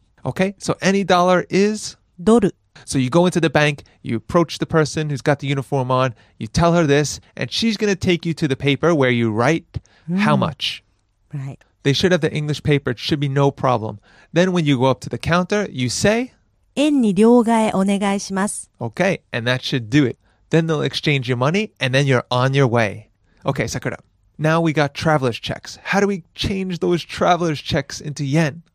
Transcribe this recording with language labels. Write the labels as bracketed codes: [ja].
[en] Okay, so any dollar is? [ja] Doru. [en] So you go into the bank, you approach the person who's got the uniform on, you tell her this, and she's going to take you to the paper where you write how much. Right. They should have the English paper. It should be no problem. Then when you go up to the counter, you say? [ja] 円に両替お願いします. [en] Okay, and that should do it. Then they'll exchange your money, and then you're on your way. Okay, Sakura, now we got traveler's checks. How do we change those traveler's checks into yen?